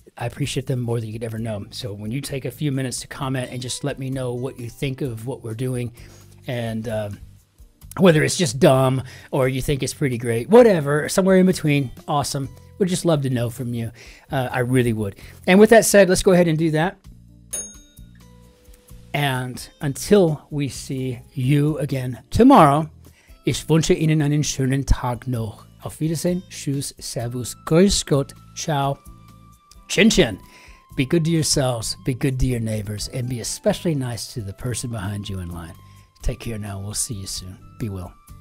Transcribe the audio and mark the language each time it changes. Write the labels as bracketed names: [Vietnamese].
[English] I appreciate them more than you could ever know. So when you take a few minutes to comment and just let me know what you think of what we're doing, and whether it's just dumb or you think it's pretty great, whatever, somewhere in between, awesome. We'd just love to know from you. I really would. And with that said, let's go ahead and do that. And until we see you again tomorrow, [German] ich wünsche Ihnen einen schönen Tag noch. Auf Wiedersehen, tschüss, servus, grüß Gott, ciao. [Italian] Cin-Cin. [English] Be good to yourselves, be good to your neighbors, and be especially nice to the person behind you in line. Take care now. We'll see you soon. Be well.